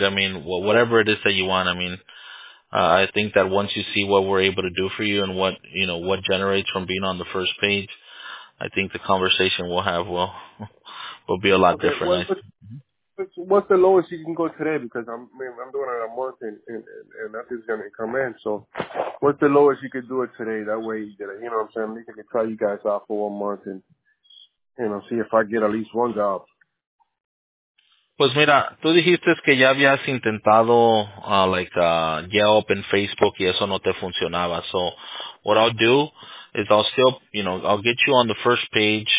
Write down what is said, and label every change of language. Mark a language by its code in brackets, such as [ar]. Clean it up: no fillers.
[en] I mean, whatever it is that you want. I mean, I think that once you see what we're able to do for you and what, you know, what generates from being on the first page, I think the conversation we'll have will be a lot different. What's the lowest you can go today? Because I'm doing it a month and nothing's going to come in. So what's the lowest you could do it today? That way, you know what I'm saying? I could try you guys out for 1 month and, you know, see if I get at least one job. [es] Pues mira, tú dijiste que ya habías intentado, ya open Facebook y eso no te funcionaba. [en] So what I'll do is I'll still, you know, I'll get you on the first page.